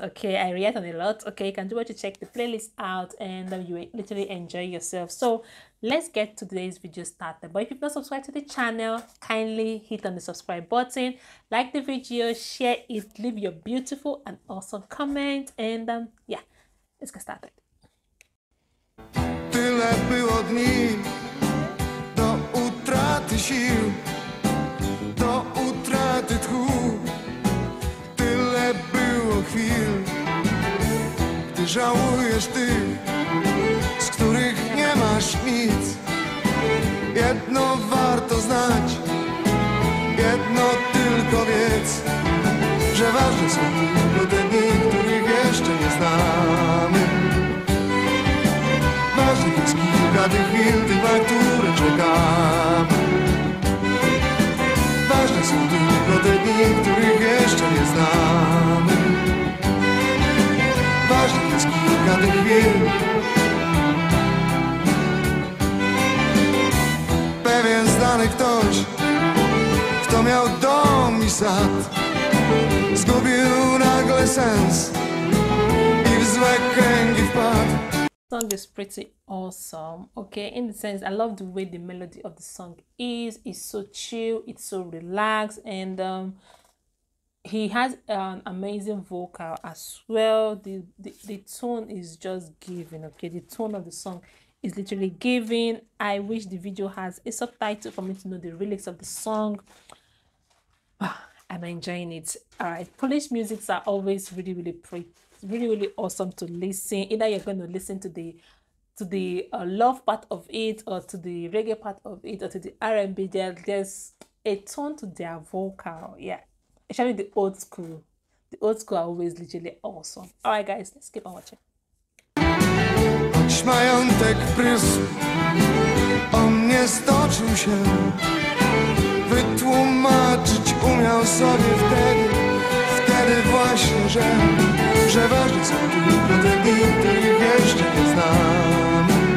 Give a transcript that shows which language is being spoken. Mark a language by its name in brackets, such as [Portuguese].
[English] Okay, I react on a lot. Okay, you can do what you check the playlist out and you literally enjoy yourself. So let's get today's video started. But if you've not subscribed to the channel, kindly hit on the subscribe button, like the video, share it, leave your beautiful and awesome comment, and yeah, let's get started. [Polish] Tyle było dni do utraty sił, do utraty tchu. Tyle było chwil, gdy żałujesz tych, z których nie masz nic. Jedno warto znać, jedno tylko wiedz, że ważne są te dni, których jeszcze nie znamy. Ważnych jest kilka tych chwil, tych, na które czekamy. Ważne są tylko te dni, których jeszcze nie znamy. Ważnych jest kilka tych chwil. Ktoś, kto miał dom i sad, zgubił nagle sens i w złe kręgi wpadł. [English] Song is pretty awesome, okay, in the sense I love the way the melody of the song is. It's so chill, it's so relaxed, and he has an amazing vocal as well. The tone is just giving, okay, the tone of the song is literally giving. I wish the video has a subtitle for me to know the lyrics of the song. I'm enjoying it. All right, Polish musics are always really awesome to listen. Either you're going to listen to the love part of it, or to the reggae part of it, or to the R&B. There's a tone to their vocal. Yeah, especially the old school are always literally awesome. All right guys, let's keep on watching. [Polish] Majątek prysł, on nie stoczył się. Wytłumaczyć umiał sobie wtedy właśnie, że ważne są tylko te dni, których jeszcze nie znamy.